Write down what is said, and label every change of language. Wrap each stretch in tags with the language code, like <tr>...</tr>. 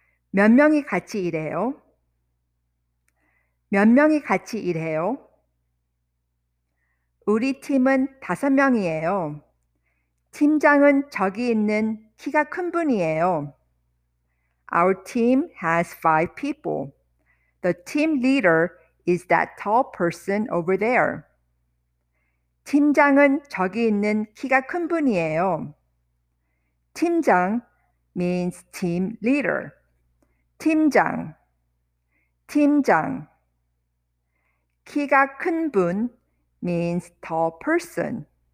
<ko>몇 명이 같이 일해요? 몇 명이 같이 일해요? 우리 팀은 다섯 명이에요. 팀장은 저기 있는 키가 큰 분이에요.</ko> <en>Our team has five people. The team leader is that tall person over there.</en> <ko>팀장은 저기 있는 키가 큰 분이에요.</ko> <en>팀장 means team leader. 팀장, 팀장.</en> <ko>키가 큰 분</ko> <en>means tall person.</en>